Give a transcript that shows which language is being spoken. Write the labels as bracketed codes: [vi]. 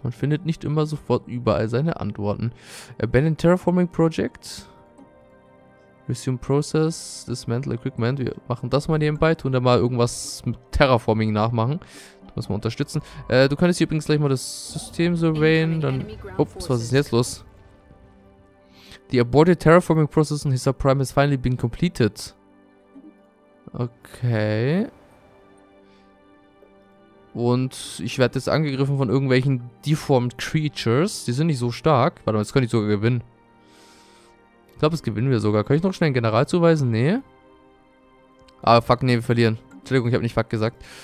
[de] Man findet nicht immer sofort überall seine Antworten. [en] Abandoned Terraforming Project. Resume Process. Dismantle Equipment. [de] Wir machen das mal nebenbei. Tun da mal irgendwas mit Terraforming nachmachen. Das müssen wir unterstützen. Du könntest hier übrigens gleich mal das System surveyen. Dann. Ups, was ist denn jetzt los? [en] The aborted Terraforming Process in Hisar Prime has finally been completed. Okay. [de] Und ich werde jetzt angegriffen von irgendwelchen Deformed Creatures. Die sind nicht so stark. Warte mal, jetzt könnte ich sogar gewinnen. Ich glaube, das gewinnen wir sogar. Kann ich noch schnell einen General zuweisen? Nee. Ah, fuck, nee, wir verlieren. Entschuldigung, ich habe nicht fuck gesagt.